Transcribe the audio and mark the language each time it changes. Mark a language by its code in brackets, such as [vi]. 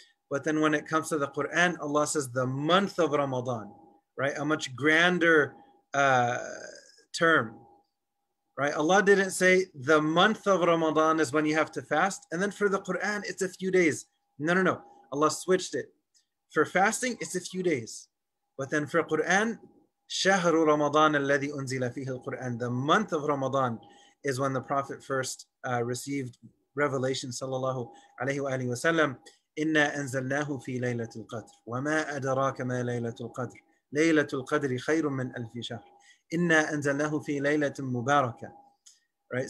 [en] But then when it comes to the Qur'an, Allah says the month of Ramadan, right? A much grander term. Right? Allah didn't say the month of Ramadan is when you have to fast. And then for the Quran, it's a few days. No. Allah switched it. For fasting, it's a few days. But then for Quran, [ar] شَهْرُ رَمَضَانَ الَّذِي أُنزِلَ فِيهِ الْقُرْآنِ. [en] The month of Ramadan is when the Prophet first received revelation, sallallahu alayhi wa sallam. [ar] إِنَّا أَنزَلْنَاهُ فِي لَيْلَةُ الْقَدْرِ وَمَا أَدَرَاكَ مَا لَيْلَةُ الْقَدْرِ لَيْلَةُ الْقَدْرِ خَيْرٌ مِنْ أَلْفِ شَهْرٍ. Inna anzalnahu fi laylatin mubaraka. Right?